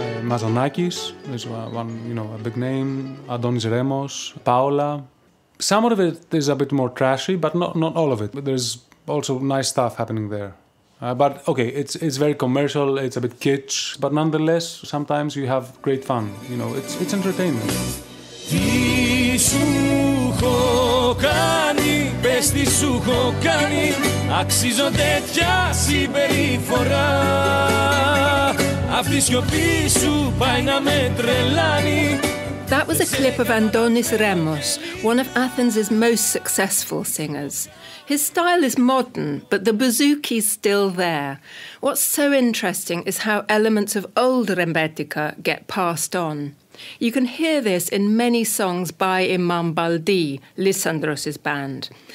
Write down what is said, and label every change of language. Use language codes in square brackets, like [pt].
[en] Mazanakis is one, you know, a big name. Adonis Remos, Paola. Some of it is a bit more trashy, but not all of it. But there's also nice stuff happening there. But okay, it's very commercial. It's a bit kitsch, but nonetheless, sometimes you have great fun. You know, it's entertaining. [el] Πες τι σου έχω κάνει Αξίζω τέτοια συμπεριφορά Αυτή η σιωπή σου πάει να με τρελάνει [en] That was a clip of Andonis Remos, one of Athens' most successful singers. His style is modern, but the bouzouki's still there. What's so interesting is how elements of old rembetika get passed on. You can hear this in many songs by Imam Baildi, Lysandros' band.